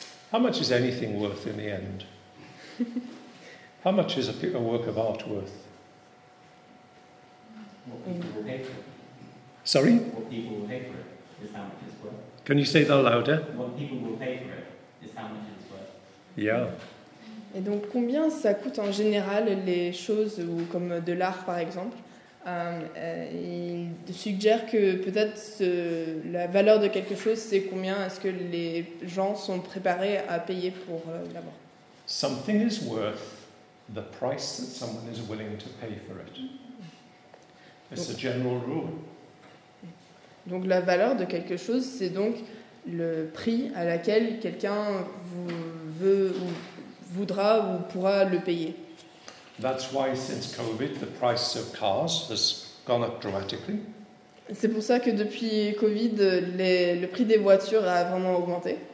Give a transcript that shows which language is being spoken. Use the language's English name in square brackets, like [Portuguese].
[English] How much is anything worth in the end? How much is a work of art worth? What people will pay for it. Sorry? What people will pay for it is how much it's worth. Can you say that louder? What people will pay for it is how much it's worth. Yeah. [French] Et donc, combien ça coûte en général les choses, ou comme de l'art par exemple? Il suggère que peut-être la valeur de quelque chose, c'est combien est-ce que les gens sont préparés à payer pour l'avoir. [English] Something is worth the price that someone is willing to pay for it. It's a general rule. [French] Donc la valeur de quelque chose, c'est donc le prix à laquelle quelqu'un veut ou voudra ou pourra le payer. [English] That's why, since COVID, the price of cars has gone up dramatically. [French] C'est pour ça que depuis COVID, le prix des voitures a vraiment augmenté.